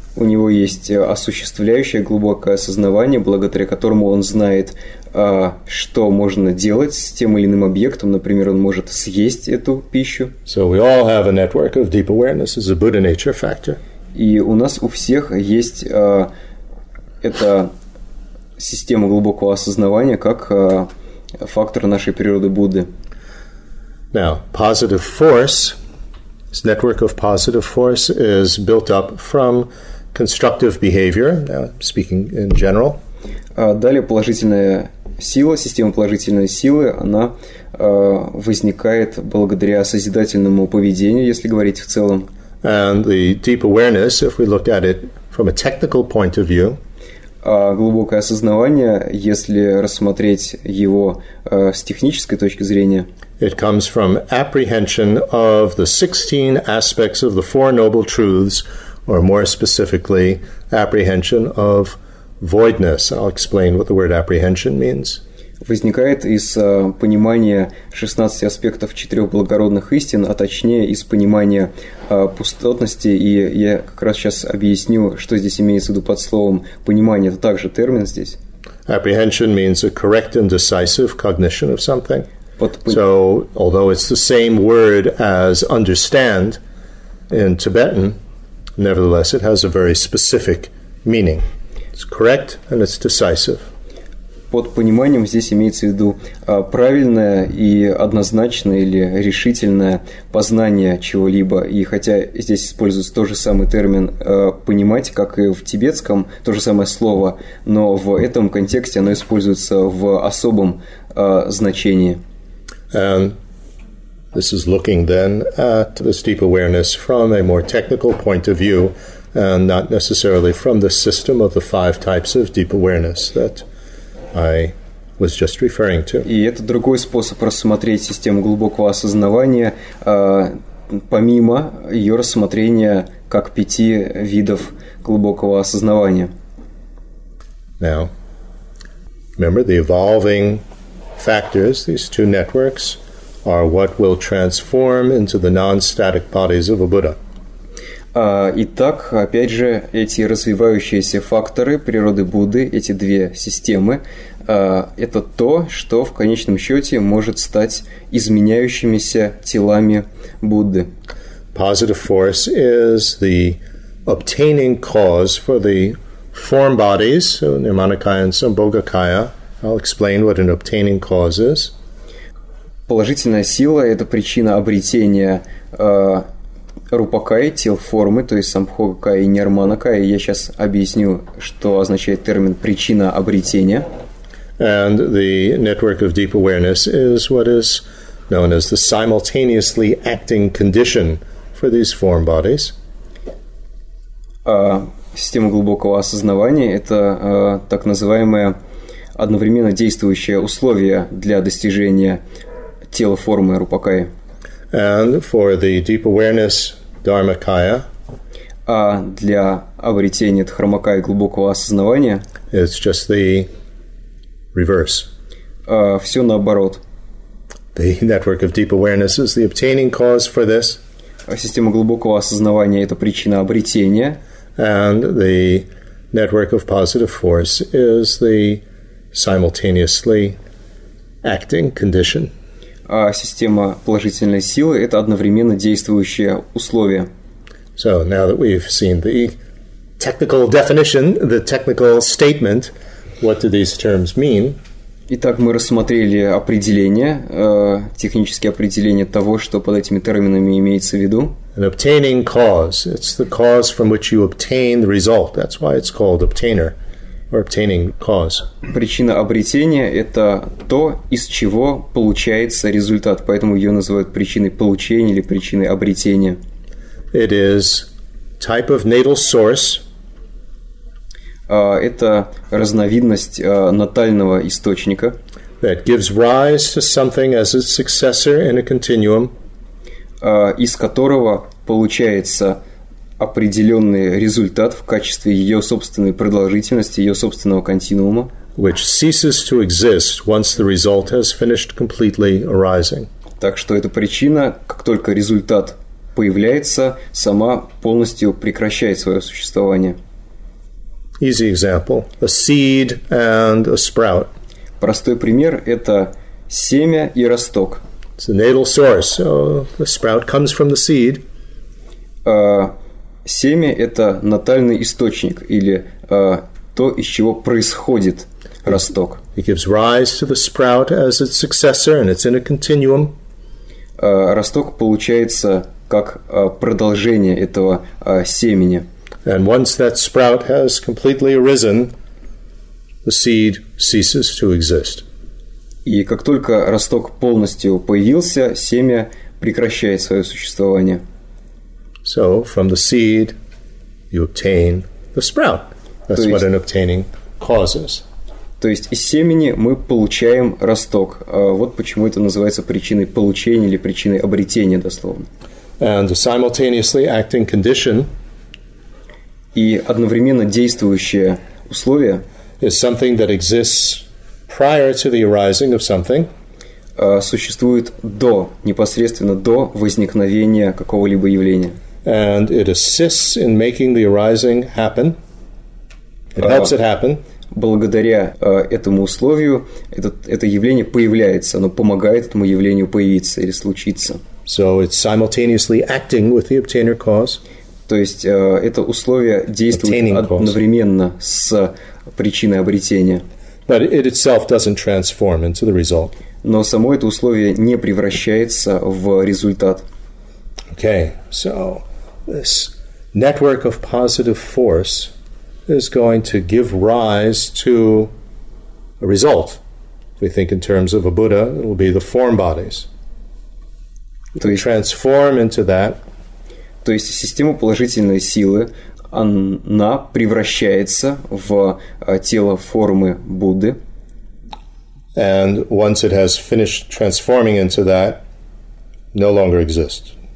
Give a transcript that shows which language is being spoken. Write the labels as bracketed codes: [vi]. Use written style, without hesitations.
[ru] У него есть осуществляющее глубокое осознавание, благодаря которому он знает, что можно делать с тем или иным объектом. Например, он может съесть эту пищу. [en] So we all have a network of deep awareness as a Buddha nature factor. [ru] И у нас у всех есть эта система глубокого осознавания как фактор нашей природы Будды. [en] Now, positive force, this network of positive force is built up from constructive behavior, now speaking in general. [ru] Далее положительная сила, система положительной силы, она возникает благодаря созидательному поведению, если говорить в целом. [en] And the deep awareness, if we look at it from a technical point of view, [ru] глубокое осознавание, если рассмотреть его с технической точки зрения, [en] it comes from apprehension of the 16 aspects of the Four Noble Truths, or more specifically, apprehension of voidness. I'll explain what the word apprehension means. [ru] Возникает из понимания 16 аспектов четырех благородных истин, а точнее из понимания пустотности, и я как раз сейчас объясню, что здесь имеется в виду под словом понимание. Это также термин здесь. [en] Apprehension means a correct and decisive cognition of something. So, although it's the same word as understand in Tibetan, nevertheless, it has a very specific meaning. It's correct and it's decisive. [ru] Под пониманием здесь имеется в виду правильное и однозначное или решительное познание чего-либо. И хотя здесь используется тот же самый термин «понимать», как и в тибетском, то же самое слово, но в этом контексте оно используется в особом значении. [en] And this is looking then at this deep awareness from a more technical point of view and not necessarily from the system of the five types of deep awareness that I was just referring to. [ru] И это другой способ рассмотреть систему глубокого осознавания, помимо ее рассмотрения как пяти видов глубокого осознавания. [en] Now, remember the evolving factors, these two networks, are what will transform into the non-static bodies of a Buddha. [ru] Итак, опять же, эти развивающиеся факторы природы Будды, эти две системы, это то, что в конечном счете может стать изменяющимися телами Будды. [en] Positive force is the obtaining cause for the form bodies, so Nirmanakaya and Sambhogakaya. I'll explain what an obtaining cause is. [ru] Положительная сила – это причина обретения рупакаи, тел формы, то есть самбхогакаи и нирманакаи. Я сейчас объясню, что означает термин «причина обретения». [en] And the network of deep awareness is what is known as the simultaneously acting condition for these form bodies. [ru] Система глубокого осознавания – это так называемая одновременно действующее условие для достижения тела формы рупакаи. [en] And for the deep awareness dharmakaya, [ru] а для обретения дхармакаи глубокого осознавания, [en] it's just the reverse. [ru] Все наоборот. [en] The network of deep awareness is the obtaining cause for this. [ru] Система глубокого осознавания – это причина обретения. [en] And the network of positive force is the simultaneously acting condition. [ru] А система положительной силы – это одновременно действующее условие. [en] So, now that we've seen the technical definition, the technical statement, what do these terms mean? [ru] Итак, мы рассмотрели определение, технические определения того, что под этими терминами имеется в виду. [en] An obtaining cause. It's the cause from which you obtain the result. That's why it's called obtainer. Or obtaining cause. [ru] Причина обретения – это то, из чего получается результат, поэтому ее называют причиной получения или причиной обретения. [en] It is type of natal source. [ru] Это разновидность натального источника. [en] That gives rise to something as its successor in a continuum. [ru] Из которого получается определенный результат в качестве ее собственной продолжительности, ее собственного континуума, [en] which ceases to exist once the result has finished completely arising. [ru] Так что эта причина, как только результат появляется, сама полностью прекращает свое существование. [en] Easy example. A seed and a sprout. [ru] Простой пример – это семя и росток. [en] It's a natal source, so the sprout comes from the seed. [ru] Семя – это натальный источник, или то, из чего происходит росток. [en] It gives rise to the sprout as its successor, and it's in a continuum. [ru] Росток получается как продолжение этого семени. [en] And once that sprout has completely arisen, the seed ceases to exist. [ru] И как только росток полностью появился, семя прекращает свое существование. [en] So, from the seed, you obtain the sprout. That's what an obtaining causes. [ru] То есть, из семени мы получаем росток. Вот почему это называется причиной получения или причиной обретения, дословно. [en] And a simultaneously acting condition [ru] и одновременно действующее условие [en] is something that exists prior to the arising of something. [ru] Существует до, непосредственно до возникновения какого-либо явления. [en] And it assists in making the arising happen. It helps it happen. [ru] Благодаря этому условию это явление появляется, оно помогает этому явлению появиться или случиться. [en] So it's simultaneously acting with the obtainer cause. [ru] То есть это условие действует одновременно с причиной обретения. [en] But it itself doesn't transform into the result. [ru] Но само это условие не превращается в результат. [en] Okay, so this network of positive force is going to give rise to a result. If we think in terms of a Buddha, it will be the form bodies. [ru] То есть, [en] transform into that. [ru] То есть система положительной силы, она превращается в тело формы Будды. [en] And once it has finished transforming into that, no longer exists.